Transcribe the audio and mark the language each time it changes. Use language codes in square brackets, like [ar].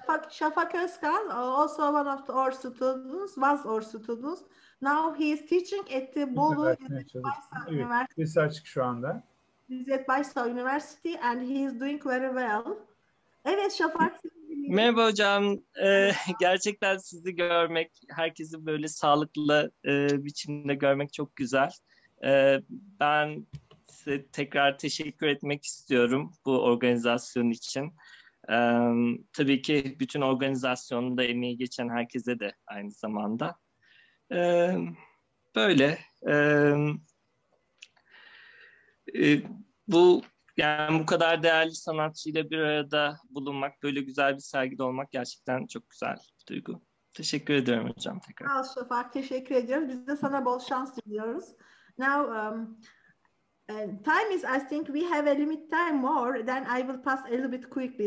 [en] Şafak Özkan, also one of our students, was our students. Now he is teaching at the Bolu Lizzet Baysal University and he is doing very well. [tr] Evet Şafak. Merhaba hocam. Gerçekten sizi görmek, herkesi böyle sağlıklı biçimde görmek çok güzel. Ben size tekrar teşekkür etmek istiyorum bu organizasyon için. Tabii ki bütün organizasyonda emeği geçen herkese de aynı zamanda. Böyle. Bu yani bu kadar değerli sanatçıyla bir arada bulunmak, böyle güzel bir sergide olmak gerçekten çok güzel bir duygu. Teşekkür ediyorum hocam tekrar. Sağ ol Şafak, teşekkür ediyorum. Biz de sana bol şans diliyoruz. [en] Now, time is, I think we have a limit time more, then I will pass a little bit quickly.